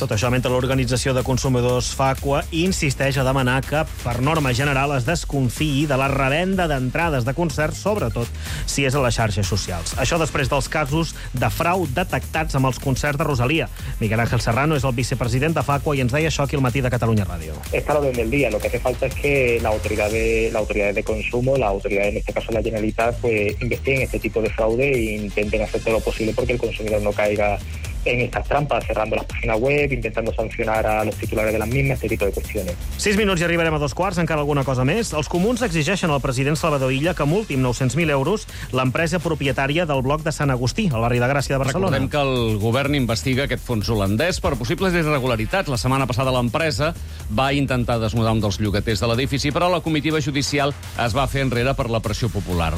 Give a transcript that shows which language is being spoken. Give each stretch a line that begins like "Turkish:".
Catalan: Tot això mentre l'Organització de Consumidors FACUA insisteix a demanar que, per norma general, es desconfiï de la revenda d'entrades de concerts, sobretot si és a les xarxes socials. Això després dels casos de frau detectats amb els concerts de Rosalía. Miguel Ángel Serrano és el vicepresident de FACUA i ens deia això aquí al Matí de Catalunya Ràdio.
Spanish: Está la orden del día. Lo que hace falta es que la autoridad de consumo, la autoridad, en este caso la Generalitat, pues investiguen este tipo de fraude e intenten hacer todo lo posible porque el consumidor no caiga en estas trampas, cerrando las páginas web, intentando sancionar a los titulares de las mismas, este tipo de cuestiones.
Catalan: 6 minuts i arribarem a 2:15, encara alguna cosa més. Els comuns exigeixen al president Salvador Illa que multi 900.000 euros l'empresa propietària del bloc de Sant Agustí, al barri de Gràcia de Barcelona. Recordem que el govern investiga aquest fons holandès per possibles irregularitats. La setmana passada l'empresa va intentar desnudar un dels llogaters de l'edifici, però la comitiva judicial es va fer enrere per la pressió popular.